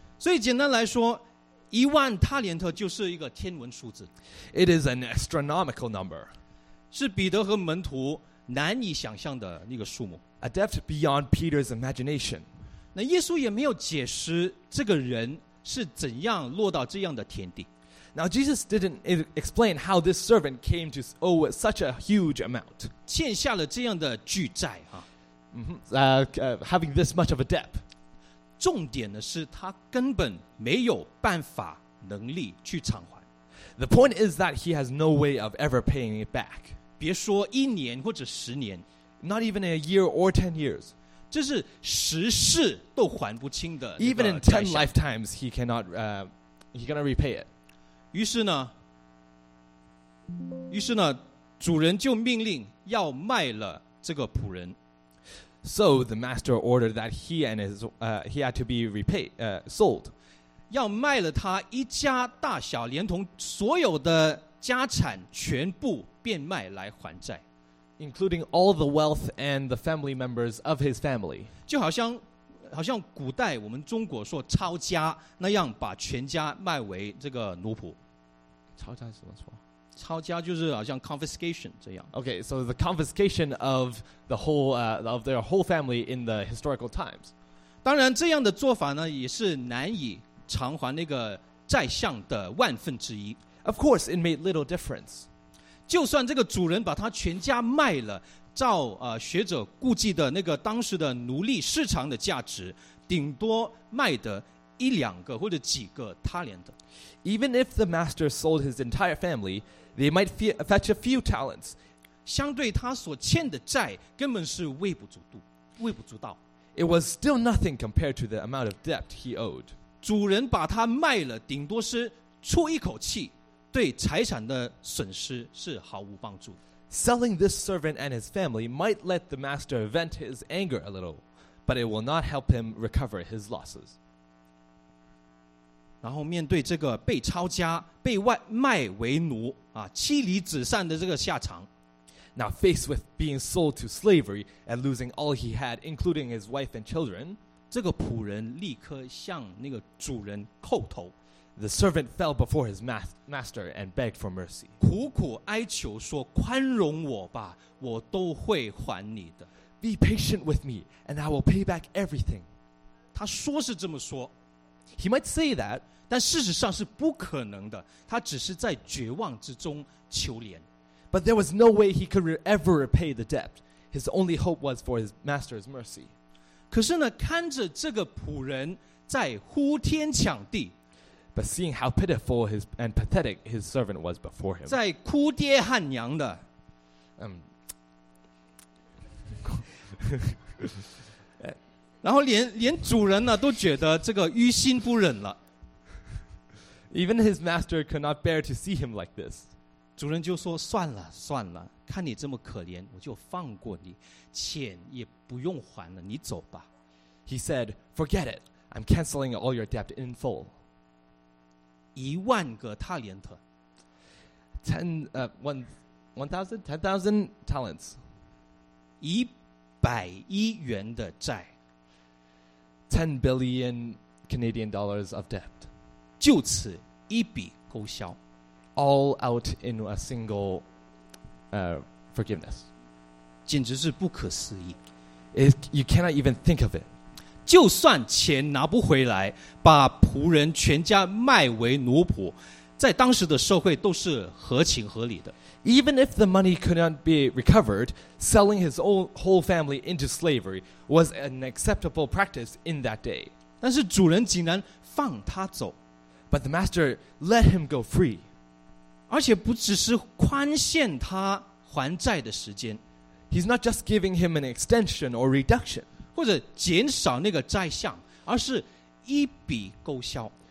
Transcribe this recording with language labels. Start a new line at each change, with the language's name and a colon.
Chinese: 所以简单来说，一万塔连特就是一个天文数字。
English: It is an astronomical number.
Chinese: 是彼得和门徒难以想象的那个数目。
English: A depth beyond Peter's imagination.
Chinese: 那耶稣也没有解释这个人是怎样落到这样的田地。
English: Now Jesus didn't explain how this servant came to owe such a huge amount.
Chinese: 欠下了这样的巨债啊。
English: Having this much of a debt.
Chinese: 重点的是他根本没有办法能力去偿还。
English: The point is that he has no way of ever paying it back.
Chinese: 别说一年或者十年。
English: Not even a year or 10 years.
Chinese: 这是十世都还不清的。
English: Even in 10 lifetimes, he cannot, he cannot repay it.
Chinese: 于是呢，主人就命令要卖了这个仆人。
English: So the master ordered that he and his he had to be repaid sold.
Chinese: 要卖了他一家大小，连同所有的家产全部变卖来还债。
English: Including all the wealth and the family members of his family.
Chinese: 就好像古代我们中国说抄家那样，把全家卖为这个奴仆。抄家是什么说？抄家就是好像 confiscation 这样。
English: Okay, so the confiscation of the whole of their whole family in the historical times.
Chinese: 当然，这样的做法呢，也是难以偿还那个债项的万分之一。
English: Of course, it made little difference.
Chinese: 就算这个主人把他全家卖了，照学者估计的那个当时的奴隶市场的价值，顶多卖得一两个或者几个他连的。
English: Even if the master sold his entire family, they might fetch a few talents.
Chinese: 相对他所欠的债根本是微不足道。
English: It was still nothing compared to the amount of debt he owed.
Chinese: 主人把他卖了，顶多是出一口气，对财产的损失是毫无帮助。
English: Selling this servant and his family might let the master vent his anger a little, but it will not help him recover his losses.
Chinese: 然后面对这个被抄家、被外卖为奴啊、妻离子散的这个下场
English: ，Now faced with being sold to slavery and losing all he had, including his wife and children,
Chinese: 这个仆人立刻向那个主人叩头。
English: The servant fell before his master and begged for mercy.
Chinese: 苦苦哀求说：“宽容我吧，我都会还你的。
English: ”Be patient with me, and I will pay back everything.
Chinese: 他说是这么说。
English: He might say that,
Chinese: 但事实上是不可能的。他只是在绝望之中求怜。
English: But there was no way he could ever repay the debt. His only hope was for his master's mercy.
Chinese: 可是呢，看着这个仆人在呼天抢地。
English: But seeing how pitiful and pathetic his servant was before him.
Chinese: 在哭爹喊娘的。然后连主人呢都觉得这个于心不忍了。
English: Even his master could not bear to see him like this.
Chinese: 主人就说：“算了算了，看你这么可怜，我就放过你，钱也不用还了，你走吧。”
English: He said, "Forget it. I'm canceling all your debt in full."
Chinese: 一万个塔连特。
English: 10,000 talents.
Chinese: 一百亿元的债。
English: $10 Canadian dollars of debt.
Chinese: 就此一笔勾销。
English: All out in a single forgiveness.
Chinese: 简直是不可思议.
English: You cannot even think of it.
Chinese: 就算钱拿不回来, 把仆人全家卖为奴仆, 在当时的社会都是合情合理的.
English: Even if the money could not be recovered, selling his whole family into slavery was an acceptable practice in that day.
Chinese: 但是主人竟然放他走.
English: But the master let him go free.
Chinese: 而且不只是宽限他还债的时间.
English: He's not just giving him an extension or reduction.
Chinese: 或者减少那个债项, 而是一笔勾销.